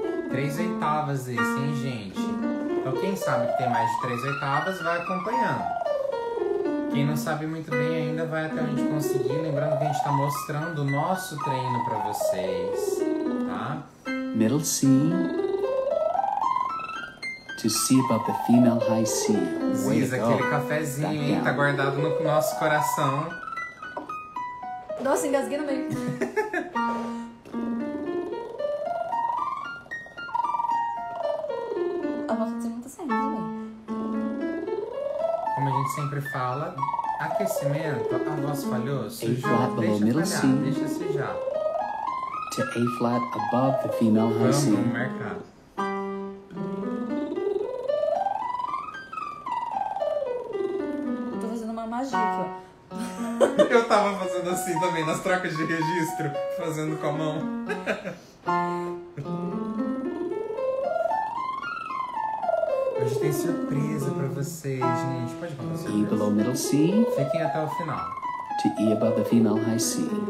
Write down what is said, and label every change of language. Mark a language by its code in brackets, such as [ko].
[pt] Três oitavas esse, hein, gente? Então quem sabe que tem mais de três oitavas, vai acompanhando. Quem não sabe muito bem ainda, vai até onde conseguir. Lembrando que a gente tá mostrando o nosso treino pra vocês, tá? [en] Middle C. To see about the female high C. [pt] Ziz, aquele cafezinho, hein? Tá guardado no nosso coração. Nossa, engasguei no meio. Como a gente sempre fala, aquecimento, a voz falhou, deixa se já. [en] To A flat above the female high C. [pt] Vamos no mercado. Eu tô fazendo uma magia aqui, ó. Eu tava fazendo assim também, nas trocas de registro, fazendo com a mão. Hoje tem surpresa pra vocês, gente. Pode contar a surpresa. [en] E below middle C. [pt] Fiquem até o final. [en] To E above the female high C.